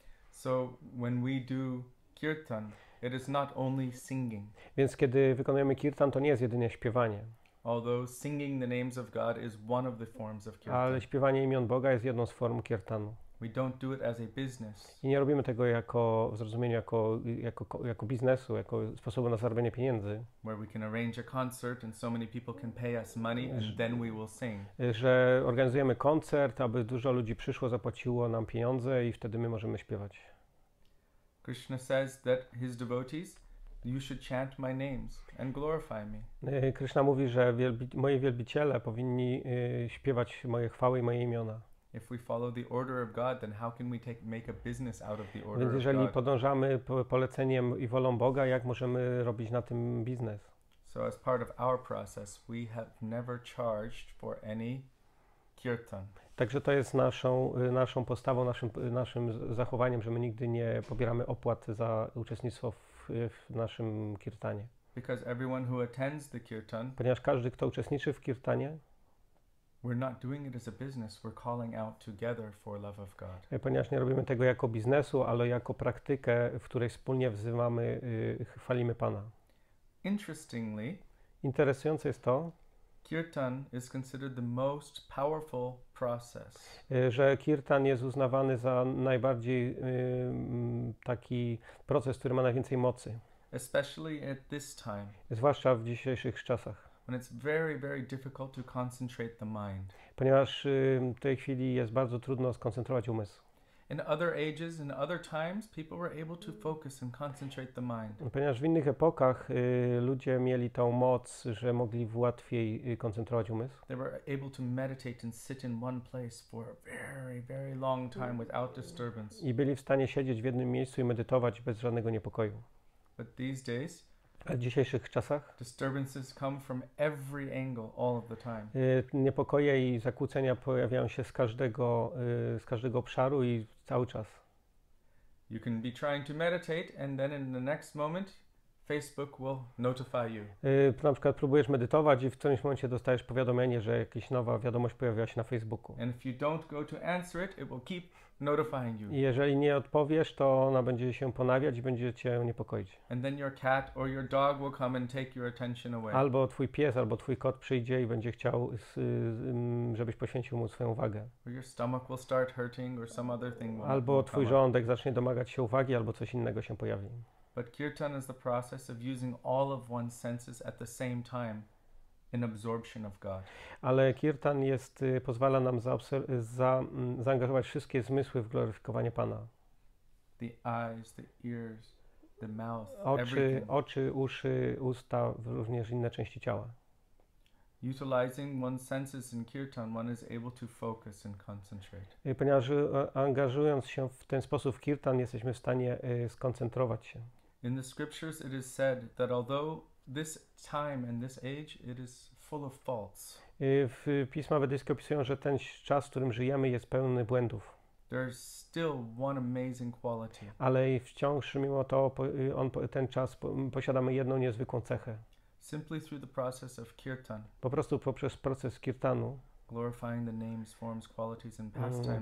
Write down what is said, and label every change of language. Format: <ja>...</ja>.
<en>So when we do kirtan, it is not only singing.</en> <pl>Więc kiedy wykonujemy kirtan, to nie jest jedynie śpiewanie.</pl> <en>Although singing the names of God is one of the forms of kirtan.</en> <pl>Ale śpiewanie imion Boga jest jedną z form kirtanu.</pl> <en>We don't do it as a business.</en> <pl>I nie robimy tego jako, w zrozumieniu, jako biznesu, jako sposobu na zarobienie pieniędzy.</pl> <en>Where we can arrange a concert and so many people can pay us money and then we will sing.</en> <pl>Że organizujemy koncert, aby dużo ludzi przyszło, zapłaciło nam pieniądze i wtedy my możemy śpiewać.</pl> <en>Krishna says that his devotees, you should chant my names and glorify me.</en> <pl>Krishna mówi, że moi wielbiciele powinni śpiewać moje chwały i moje imiona.</pl> <en>If we follow the order of God, then how can we make a business out of the order of God?</en> <pl>Więc jeżeli podążamy poleceniem i wolą Boga, jak możemy robić na tym biznes?</pl> <en>So as part of our process, we have never charged for any kirtan.</en> <pl>Także to jest naszą postawą, naszym zachowaniem, że my nigdy nie pobieramy opłat za uczestnictwo w naszym kirtanie.</pl> <en>Because everyone who attends the kirtan,</en> <pl>ponieważ każdy, kto uczestniczy w kirtanie,</pl> <en>we're not doing it as a business, we're calling out together for love of God.</en> <pl>Ponieważ nie robimy tego jako biznesu, ale jako praktykę, w której wspólnie wzywamy, chwalimy Pana.</pl> <en>Interestingly,</en> <pl>interesujące jest to,</pl> <en>kirtan is considered the most powerful process.</en> <pl>Że kirtan jest uznawany za najbardziej taki proces, który ma najwięcej mocy.</pl> <en>Especially at this time.</en> <pl>Zwłaszcza w dzisiejszych czasach.</pl> <en>When it's very, very difficult to concentrate the mind.</en> <pl>Ponieważ w tej chwili jest bardzo trudno skoncentrować umysł.</pl> <en>In other ages, in other times, people were able to focus and concentrate the mind.</en> <pl>Ponieważ w innych epokach ludzie mieli tą moc, że mogli łatwiej koncentrować umysł.</pl> <en>They were able to meditate and sit in one place for a very, very long time without disturbance.</en> <pl>I byli w stanie siedzieć w jednym miejscu i medytować bez żadnego niepokoju.</pl> <en>But these days,</en> <pl>w dzisiejszych czasach</pl> <en>disturbances come from every angle, all of the time.</en> <pl>Niepokoje i zakłócenia pojawiają się z każdego obszaru i cały czas.</pl> <en>You can be trying to meditate and then in the next moment Facebook will notify you.</en> <pl>Na przykład próbujesz medytować i w którymś momencie dostajesz powiadomienie, że jakaś nowa wiadomość pojawiła się na Facebooku.</pl> <en>And if you don't go to answer it, it will keep notifying you.</en> <pl>I jeżeli nie odpowiesz, to ona będzie się ponawiać i będzie cię niepokoić.</pl> <en>And then your cat or your dog will come and take your attention away.</en> <pl>Albo twój pies, albo twój kot przyjdzie i będzie chciał, żebyś poświęcił mu swoją uwagę.</pl> <en>Or your stomach will start hurting or some other thing will.</en> <pl>Albo twój żołądek zacznie domagać się uwagi, albo coś innego się pojawi.</pl> <en>But kirtan is the process of using all of one's senses at the same time in absorption of God.</en> <pl>Ale kirtan jest pozwala nam zaangażować wszystkie zmysły w gloryfikowanie Pana.</pl> <en>The eyes, the ears, the mouth,</en> <pl>oczy, uszy, usta, również inne części ciała.</pl> <en>Utilizing one's senses in kirtan, one is able to focus and concentrate.</en> <pl>Ponieważ angażując się w ten sposób w kirtan, jesteśmy w stanie skoncentrować się.</pl> <en>In the scriptures it is said that although this time and this age it is full of faults.</en> <pl>W pisma wedyjskie opisują, że ten czas, w którym żyjemy, jest pełny błędów.</pl> <en>There is still one amazing quality.</en> <pl>Ale wciąż mimo to ten czas posiadamy jedną niezwykłą cechę.</pl> <en>Simply through the process of kirtan.</en> <pl>Po prostu poprzez proces kirtanu.</pl> <en>Glorifying the names, forms, qualities and pastimes of God.</en>